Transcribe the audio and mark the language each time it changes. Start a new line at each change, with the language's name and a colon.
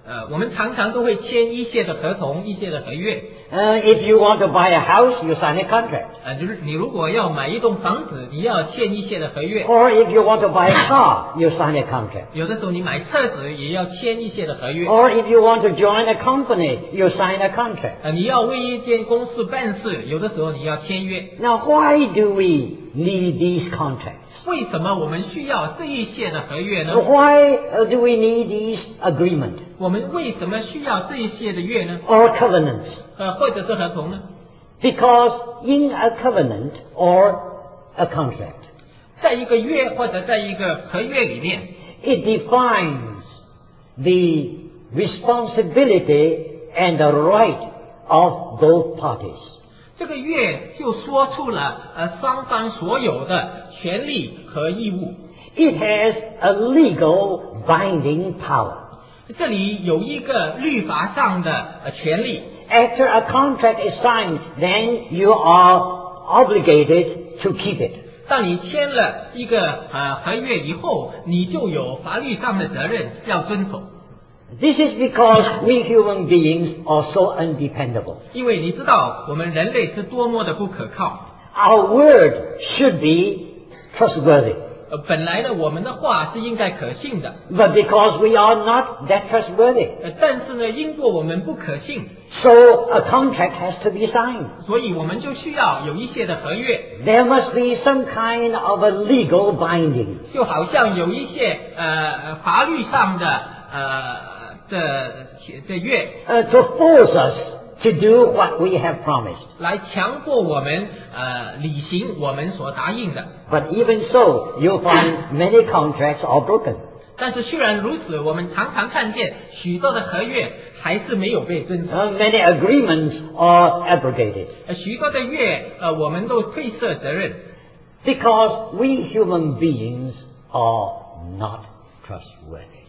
Chinese: 我们常常都会签一些的合同，一些的合约。
English: If you want to buy a house, you sign a contract.
Chinese: 就是你如果要买一栋房子，你要签一些的合约。
English: Or if you want to buy a car, you sign a contract.
Chinese: 有的时候你买车子也要签一些的合约。
English: Or if you want to join a company, you sign a contract.
Chinese: 你要为一间公司办事，有的时候你要签约。
English: Now why do we need these contracts?
Chinese: 为什么我们需要这一些的合约呢？
English: Why do we need these agreement?
Chinese: 我们为什么需要这一些的约呢？
English: Or covenants.
Chinese: 或者是合同呢？
English: Because in a covenant or a contract,
Chinese: 在一个约或者在一个合约里面，
English: it defines the responsibility and the right of both parties.
Chinese: 这个约就说出了双方所有的权利和义务。
English: It has a legal binding power.
Chinese: 这里有一个律法上的权利。
English: After a contract is signed, then you are obligated to keep it.
Chinese: 当你签了一个合约以后，你就有法律上的责任要遵守。
English: This is because we human beings are so undependable.
Chinese: 因为你知道我们人类是多么的不可靠。
English: Our word should be trustworthy.
Chinese: 本来呢，我们的话是应该可信的。
English: But because we are not that trustworthy.
Chinese: 但是呢，因为我们不可信。
English: So a contract has to be signed.
Chinese: 所以我们就需要有一些的合约。
English: There must be some kind of a legal binding.
Chinese: 就好像有一些法律上的的约。
English: To force us. To do what we have promised.
Chinese: 来强迫我们履行我们所答应的。
English: But even so, you'll find many contracts are broken.
Chinese: 但是虽然如此，我们常常看见许多的合约还是没有被遵守。
English: Many agreements are abrogated.
Chinese: 许多的约我们都推卸责任。
English: Because we human beings are not trustworthy.